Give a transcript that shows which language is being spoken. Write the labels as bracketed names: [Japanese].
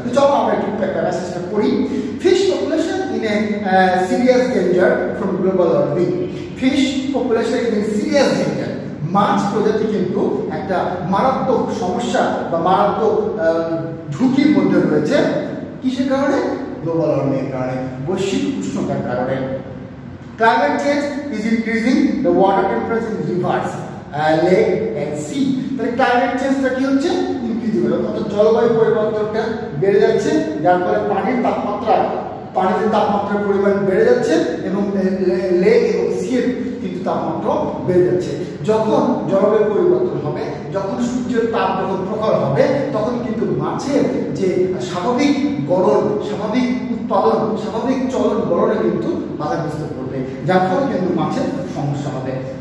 [Bangla] চলো আমরা একটু একটা অ্যাসেসমেন্ট করি। [English] fish population in a serious danger from global warming, fish population in a serious danger, [Bangla] মাছ প্রজাতি কিন্তু একটা মারাত্মক সমস্যা বা মারাত্মক ঝুঁকির মধ্যে রয়েছে। কিসের কারণে? গ্লোবাল ওয়ার্মিং এর কারণে, বৈশ্বিক উষ্ণতার কারণে। [English] Climate change is increasing the water temperature in rivers, lake and sea. [Bangla] তাহলে ক্লাইমেট চেঞ্জটা কি হচ্ছে? ইনক্রিজিং, অর্থাৎ জলবায়ু পরিবর্তনটা বেড়ে যাচ্ছে, যার ফলে পানির তাপমাত্রা পানির তাপমাত্রার পরিমাণ বেড়ে যাচ্ছে এবং লেক এবং সিয়ের কিন্তু তাপমাত্রাও বেড়ে যাচ্ছে। যখন জলবায়ু পরিবর্তন হবে, যখন সূর্যের তাপ যখন প্রখর হবে, তখন কিন্তু মাছের যে স্বাভাবিক গড়ন, স্বাভাবিক উৎপাদন, স্বাভাবিক চলন গড়নে কিন্তু বাধাগ্রস্ত করবে, যার ফলে কিন্তু মাছের সমস্যা হবে।